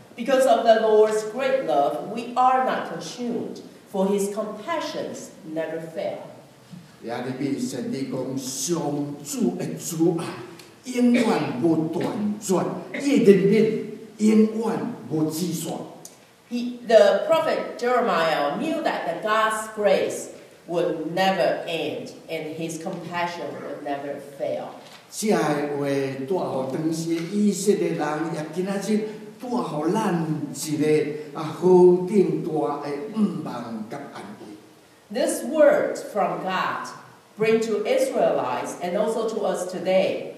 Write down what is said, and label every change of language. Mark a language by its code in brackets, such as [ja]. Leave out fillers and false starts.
[en] Because of the Lord's great love, we are not consumed, for His compassions never fail." [nan] 亚利米先知讲，上主的慈爱。永远无断绝，伊的怜悯永远无止息。 [en] The prophet Jeremiah knew that the God's grace would never end and His compassion would never fail. [nan] 这个话带予当时以色列人，也今仔日带予咱一个好顶大的盼望甲安慰。 [en] This word from God bring to Israelites and also to us today.